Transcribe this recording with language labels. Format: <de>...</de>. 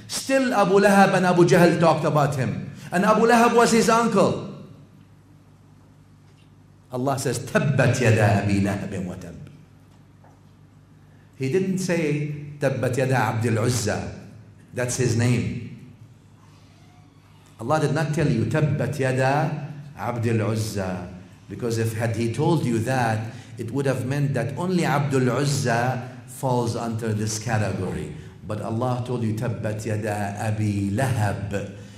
<en>Still Abu Lahab and Abu Jahl talked about him. And Abu Lahab was his uncle. Allah says,</en> <ar>تَبَّتْ يَدَا أَبِي لَهَبٍ وَتَبْ.</ar> <en>He didn't say,</en> <ar>تَبَّتْ يَدَا عَبْدِ الْعُزَّى.</ar> <en>That's his name. Allah did not tell you,</en> <ar>تَبَّتْ يَدَا عَبْدِ الْعُزَّى.</ar> <en>Because if had he told you that, it would have meant that only عَبْدُ الْعُزَّى falls under this category. But Allah told you,</en> <ar>تَبَّتْ يَدَا أَبِي لَهَبٍ.</ar>